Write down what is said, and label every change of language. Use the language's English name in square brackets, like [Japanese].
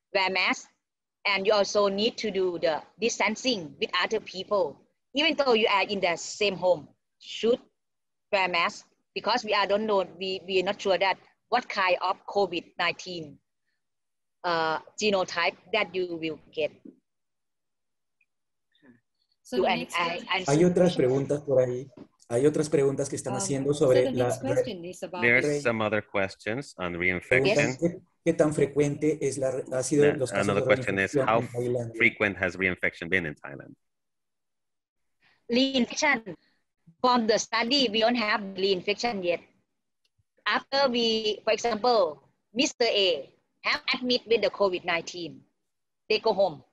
[English] wear masks, and you also need to do the distancing with other people. Even though you are in the same home, should wear masks because we are don't know, we are not sure that what kind of COVID-19 genotype that you will get. [Spanish] So hay otras preguntas por ahí. Hay otras preguntas que están haciendo sobre so la. [English] There's some other questions on reinfection. [Spanish] ¿Qué tan frecuente es la, ha sido no, los casos [English] another de question is how frequent has reinfection been in Thailand? Reinfection. From the study, we don't have reinfection yet. After we, for example, Mr. A have admitted with the COVID-19. They go home.